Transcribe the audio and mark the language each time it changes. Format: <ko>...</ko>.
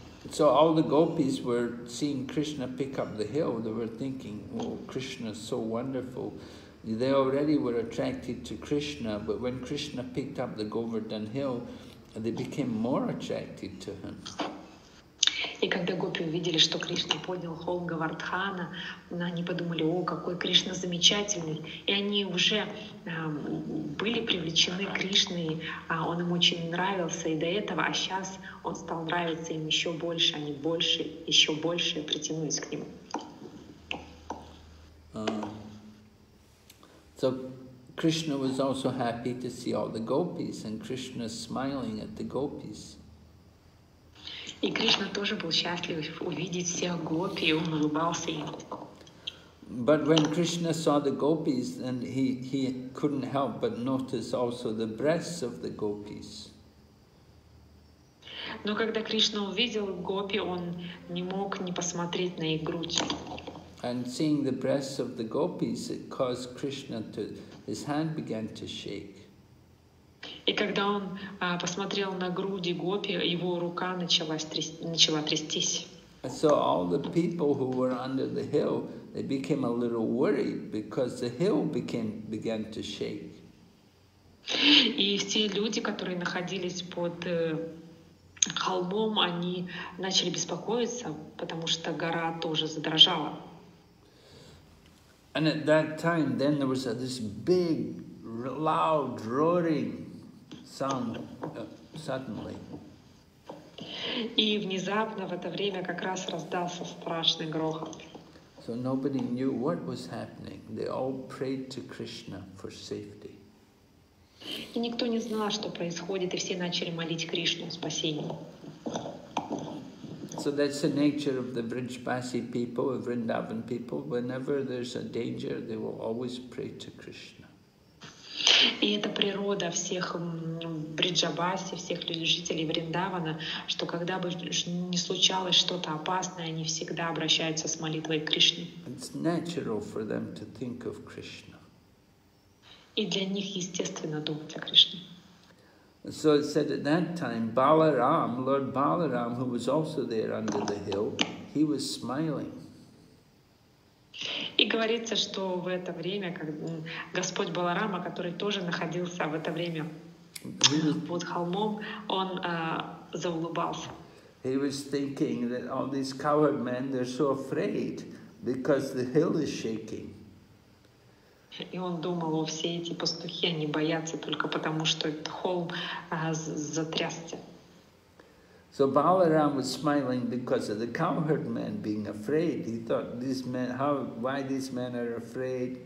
<en>So all the gopis were seeing Krishna pick up the hill. They were thinking, oh, Krishna is so wonderful. They already were attracted to Krishna, but when Krishna picked up the Govardhan hill, they became more attracted to him.</en> <ru>И когда гопи увидели, что Кришна поднял холм Говардхана, они подумали, о, какой Кришна замечательный. И они уже были привлечены Кришной, он им очень нравился и до этого, а сейчас он стал нравиться им еще больше, они больше, еще больше притянулись к нему.</ru> <en>So Krishna was also happy to see all the gopis, and Krishna smiling at the gopis.</en> <ru>И Кришна тоже был счастлив увидеть всех гопи, и он улыбался им.</ru> <en>But when Krishna saw the gopis, then he couldn't help but notice also the breasts of the gopis.</en> <ru>Но когда Кришна увидел гопи, он не мог не посмотреть на их грудь.</ru> <en>And seeing the breasts of the gopis, it caused Krishna to, his hand began to shake.</en> <ru>И когда он посмотрел на груди гопи, его рука начала трястись.</ru> <en>And so all the people who were under the hill, they became a little worried because the hill began to shake.</en> <ru>И все люди, которые находились под холмом, они начали беспокоиться, потому что гора тоже задрожала.</ru> <en>And at that time, then there was this big, loud roaring sound suddenly.</en> <ru>И внезапно в это время как раз раздался страшный грохот.</ru> <en>So nobody knew what was happening. They all prayed to Krishna for safety.</en> <ru>И никто не знал, что происходит, и все начали молить Кришну о спасении.</ru> <en>So that's the nature of the Vrindavasi people, the Vrindavan people. Whenever there's a danger, they will always pray to Krishna.</en> <ru>И это природа всех Бриджабаси, всех жителей Вриндавана, что когда бы ни случалось что-то опасное, они всегда обращаются с молитвой к Кришне.</ru> <en>It's natural for them to think of Krishna.</en> <ru>И для них естественно думать о Кришне.</ru> <en>So it said at that time, Balaram, Lord Balaram, who was also there under the hill, he was smiling.</en> <ru>И говорится, что в это время, как Господь Баларама, который тоже находился в это время под холмом, он заулыбался.</ru> <en>He was thinking that all these coward men, they're so afraid because the hill is shaking.</en> <ru>И он думал, о, все эти пастухи, они боятся только потому, что этот холм затрясся.</ru> <en>So Balaram was smiling because of the cowherd men being afraid. He thought, these men, why these men are afraid?</en>